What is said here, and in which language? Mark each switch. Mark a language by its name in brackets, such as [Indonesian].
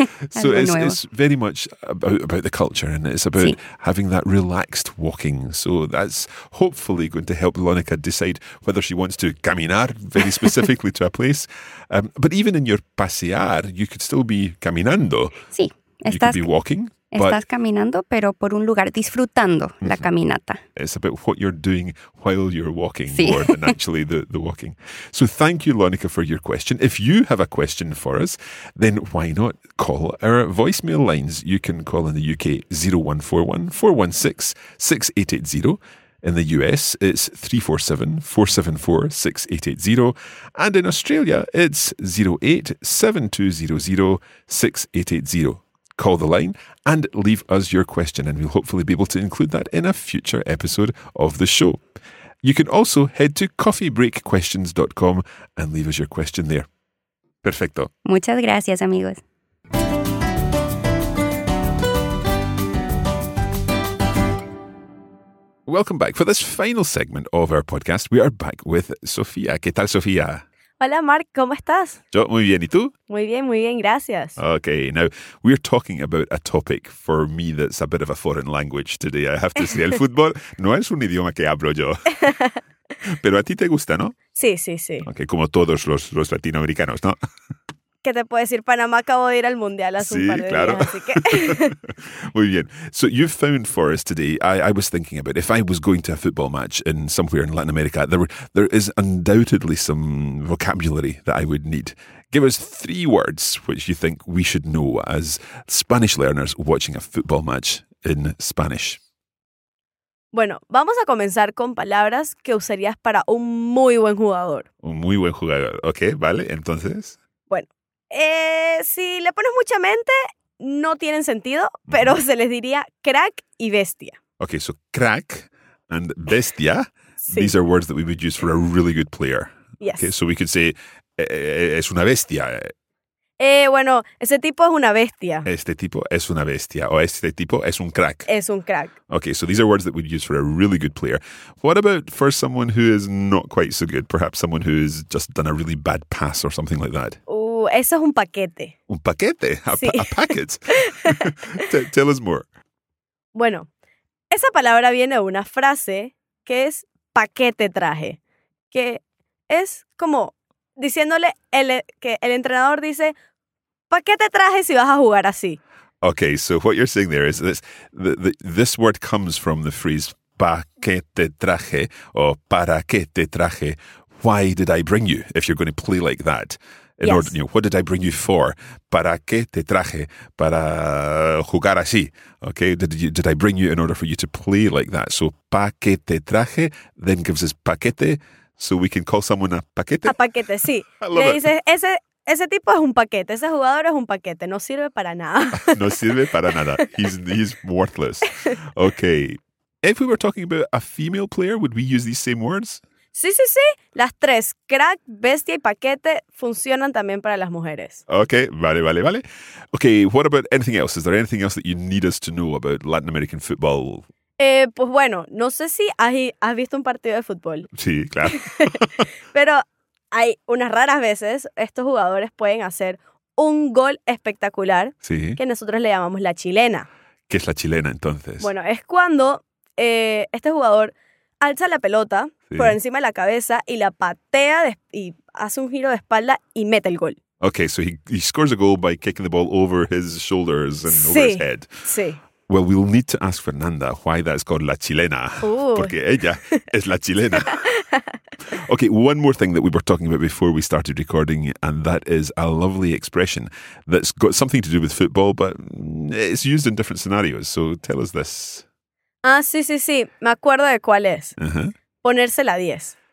[English] So it's very much about the culture and it's about [Spanish] sí. [English] having that relaxed walking. So that's hopefully going to help Lonica decide whether she wants to caminar very specifically to a place. But even in your pasear, you could still be caminando. [Spanish] Sí. [English] Estás, you could be walking. [Spanish] Estás caminando, pero por un lugar disfrutando mm-hmm. la caminata. [English] It's about what you're doing while you're walking [Spanish] sí. [English] more than actually the walking. So thank you, Lonica, for your question. If you have a question for us, then why not call our voicemail lines? You can call in the UK 0141 416 6880. In the US, it's 347 474 6880. And in Australia, it's 08 7200 6880. Call the line and leave us your question, and we'll hopefully be able to include that in a future episode of the show. You can also head to coffeebreakquestions.com and leave us your question there. [Spanish] Perfecto. Muchas gracias, amigos. [English] Welcome back. For this final segment of our podcast, we are back with Sofía. [Spanish] ¿Qué tal, Sofía? Hola, Mark. ¿Cómo estás? Yo muy bien. ¿Y tú? Muy bien, gracias. [English] Okay, now, we're talking about a topic for me that's a bit of a foreign language today. I have to say, [Spanish] el fútbol no es un idioma que hablo yo. Pero a ti te gusta, ¿no? Sí, sí, sí. Okay, como todos los latinoamericanos, ¿no? ¿Qué te puedo decir? Panamá acabó de ir al Mundial hace sí, un par de claro. días, así que... Muy bien. [English] So you found for us today, I was thinking about if I was going to a football match in somewhere in Latin America, there is undoubtedly some vocabulary that I would need. Give us three words which you think we should know as Spanish learners watching a football match in Spanish. [Spanish] Bueno, vamos a comenzar con palabras que usarías para un muy buen jugador. Un muy buen jugador. Ok, vale. Entonces... Si le pones mucha mente, no tienen sentido, pero se les diría crack y bestia. [English] Okay, so crack and bestia. Sí. These are words that we would use for a really good player. Yes. Okay, so we could say, [Spanish] es una bestia. Bueno, ese tipo es una bestia. Este tipo es una bestia. O este tipo es un crack. Es un crack. [English] Okay, so these are words that we'd use for a really good player. What about for someone who is not quite so good? Perhaps someone who's just done a really bad pass or something like that. [Spanish] Eso es un paquete. [English] ¿Un paquete? A packet. Tell us more. [Spanish] Bueno, esa palabra viene de una frase que es paquete traje, que es como diciéndole que el entrenador dice, paquete traje si vas a jugar así. [English] Okay, so what you're saying there is this word comes from the phrase paquete traje [Spanish] o para qué te traje. [English] Why did I bring you if you're going to play like that? In yes. order, you know, what did I bring you for? [Spanish] ¿Para qué te traje? Para jugar así. [English] Okay, did I bring you in order for you to play like that? So, [Spanish] ¿pa qué te traje? [English] Then gives us paquete, so we can call someone a paquete. A paquete, sí. I love [Spanish] Le dices, ese tipo es un paquete, ese jugador es un paquete, no sirve para nada. No sirve para nada. [English] He's worthless. Okay, if we were talking about a female player, would we use these same words? [Spanish] Sí, sí, sí. Las tres, crack, bestia y paquete, funcionan también para las mujeres. Okay, vale, vale, vale. [English] Okay, what about anything else? Is there anything else that you need us to know about Latin American football? [Spanish] Pues bueno, no sé si has visto un partido de fútbol. Sí, claro. Pero hay unas raras veces, estos jugadores pueden hacer un gol espectacular, sí, que nosotros le llamamos la chilena. ¿Qué es la chilena, entonces? Bueno, es cuando este jugador alza la pelota, sí, por encima de la cabeza y la patea y hace un giro de espalda y mete el gol. [English] Okay, so he scores a goal by kicking the ball over his shoulders and [Spanish] sí, [English] over his head. [Spanish] Sí. [English] Well, we'll need to ask Fernanda why that's called la chilena. [Spanish] Porque ella es la chilena. [English] Okay, one more thing that we were talking about before we started recording, and that is a lovely expression that's got something to do with football, but it's used in different scenarios. So tell us this. [Spanish] Ah, sí, sí, sí. Me acuerdo de cuál es. Uh-huh. Ponerse la 10.